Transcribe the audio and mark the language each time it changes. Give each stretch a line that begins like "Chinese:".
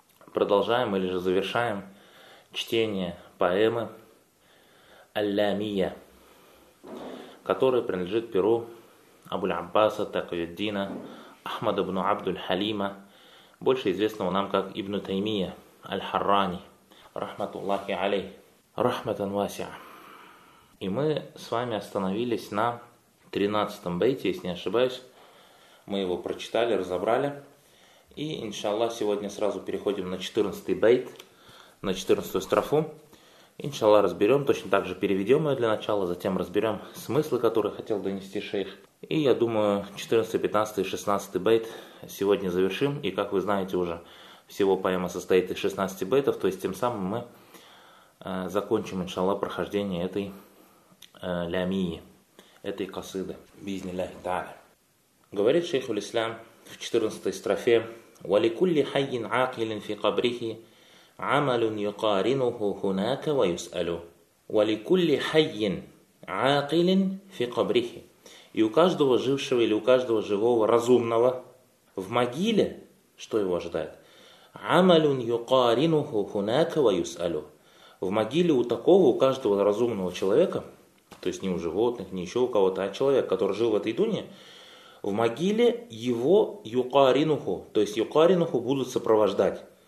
Russian: продолжаем или же завершаем чтение поэмы «Аль-Ламия», которая принадлежит перу Абуль-Аббаса Такуюддина Ахмада ибн Абдул-Халима, больше известного нам как Ибн Таймия Аль-Харрани, рахматуллахи алей, рахматан вася. И мы с вами остановились на 13-м бейте, если не ошибаюсь. Мы его прочитали, разобрали. И, иншаллах, сегодня сразу переходим на 14-й бейт, на 14-ю строфу. Иншаллах, разберем, точно так же переведем ее для начала, затем разберем смыслы, которые хотел донести шейх. И я думаю, 14, 15 и 16 бейт сегодня завершим. И как вы знаете уже, всего поэма состоит из 16 бейтов, то есть тем самым мы закончим, иншаллах, прохождение этой лямии, этой касыды. Бизнилляхи тааля. Говорит шейх Улислам в 14-й строфе:
Arabic: «Валикулли хайин акилин фи кабрихи». عمل يقارنه هناك ويسأله ولكل حي عاقل في قبره.
Russian: И у каждого жившего или у каждого живого разумного в могиле что его ожидает?
Arabic: عمل يقارنه هناك ويسأله.
Russian: В могиле у такого, у каждого разумного человека, то есть не у животных, не еще у кого-то, а человек, который жил в этой дуне, в могиле его يقارنه, то есть يقارنه будут сопровождать.